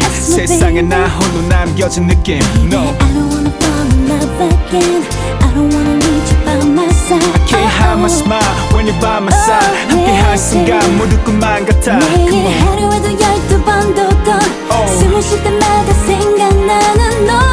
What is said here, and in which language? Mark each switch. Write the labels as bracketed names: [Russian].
[Korean] 세상에 나 홀로 남겨진 느낌. [English] No. I don't wanna fall in love again. I don't wanna need you by my side. I can't hide my smile when you're by my side. [Korean] 함께 할 순간 모두 꿈만 같아. 내게 하루에도 열두 번 더 더 숨을 쉴 때마다 생각나는 너.